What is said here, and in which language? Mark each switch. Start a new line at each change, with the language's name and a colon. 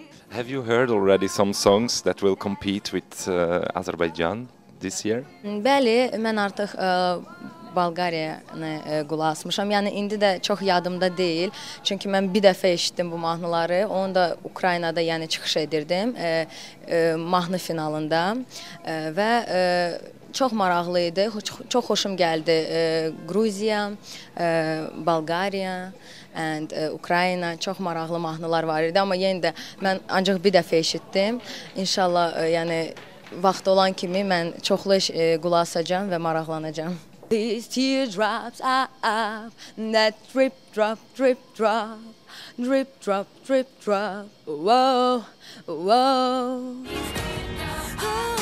English: Have you heard already some songs that will compete with Azerbaijan this year?
Azerbaijani: Bəli, mən artıq Bulgariyanı qulağa asmışam. Yəni indi də çox yadımda deyil. Çünki mən bir dəfə eşitdim bu mahnıları. Onu da Ukraynada yəni çıxış edirdim. Mahnı finalında. Və çox maraqlı idi. Çox xoşum gəldi. Gruziya, Bulgariya and Ukrayna çox maraqlı mahnılar var idi, amma yenə də mən ancaq bir dəfə eşitdim. İnşallah yəni vaxt olan kimi mən çoxlu qulaq asacağam və maraqlanacağam.
English: These teardrops are that drip drop drip drop drip drop drip drop whoa whoa.